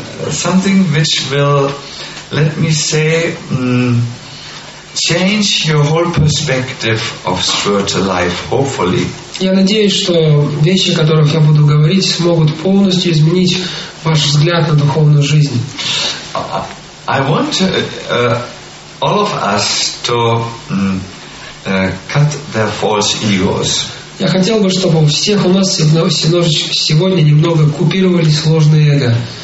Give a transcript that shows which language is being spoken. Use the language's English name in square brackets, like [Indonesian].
[English] Something which will, let me say, change your whole perspective of spiritual life, hopefully. [Russian] Я надеюсь, что вещи, о которых я буду говорить, смогут полностью изменить ваш взгляд на духовную жизнь. [English] I want all of us to cut their false egos. [Russian] Я хотел бы, чтобы у всех у нас сегодня немного купировались ложные эго.